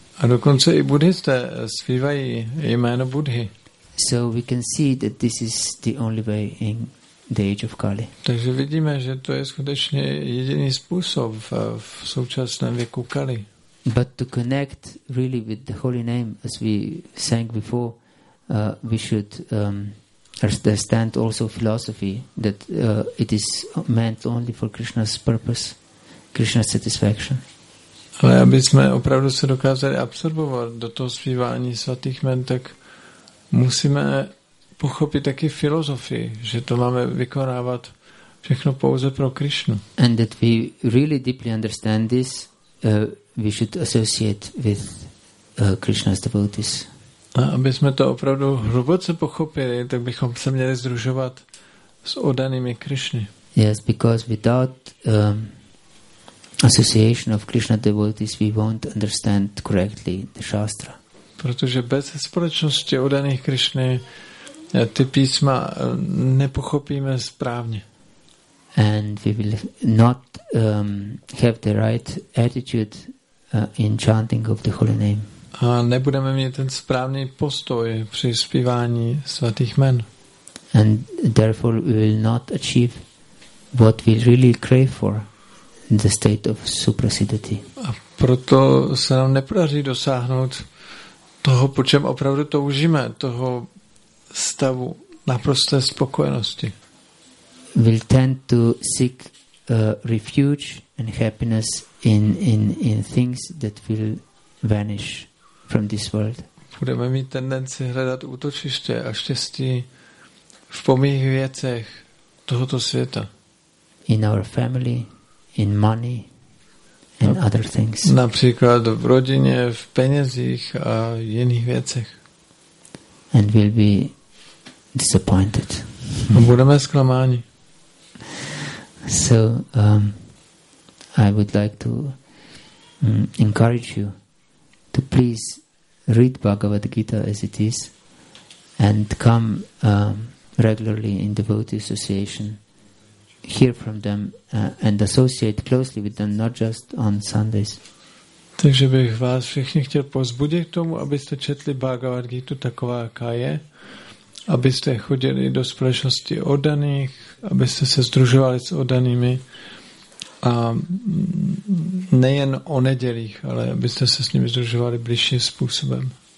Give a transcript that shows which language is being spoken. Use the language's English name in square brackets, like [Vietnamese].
[Czech] A dokonce i buddhisté zpívají jméno Buddhy. [English] So we can see that this is the only way in the age of Kali. [Czech] Takže vidíme, že to je skutečně jediný způsob v současném věku Kali. [English] But to connect really with the holy name, as we sang before, we should understand also philosophy that it is meant only for Krishna's purpose, Krishna's satisfaction. [Czech] Ale aby jsme opravdu se dokázali absorbovat do toho zpívání svatých jmen, tak musíme pochopit taky filozofii, že to máme vykonávat všechno pouze pro Krishnu. [English] And that we really deeply understand this, we should associate with Krishna's devotees. [Czech] A aby jsme to opravdu hluboce pochopili, tak bychom se měli združovat s oddanými Krishny. [English] Yes, because without association of Krishna devotees, we won't understand correctly the Shastra. [Czech] Protože bez společnosti oddaných Krishny ty písma nepochopíme správně. [English] And we will not have the right attitude in chanting of the holy name. [Czech] A nebudeme mít ten správný postoj při zpívání svatých jmen. [English] And therefore we will not achieve what we really crave for, the state of supersedity. [Czech] A proto se nám nepodaří dosáhnout toho, po čem opravdu toužíme, toho stavu naprosté spokojenosti. [English] We'll tend to seek refuge and happiness in things that will vanish from this world. [Czech] Budeme mít tendenci hledat útočiště a štěstí v pomíjivých věcech tohoto světa. [English] In our family, in money, in other things. [Czech] Například v rodině, v penězích a jiných věcech. [English] And we'll be disappointed. [Czech] Budeme zklamáni. [English] So I would like to encourage you to please read Bhagavad Gita as it is and come regularly in devotee association, hear from them and associate closely with them, not just on Sundays. [Czech] Takže bych vás všichni chtěl pozbudit k tomu, abyste četli Bhagavad Gita taková, jaká je, abyste chodili do společnosti oddaných, abyste se združovali s oddanými a nejen o nedělích, ale abyste se s nimi združovali blížším způsobem.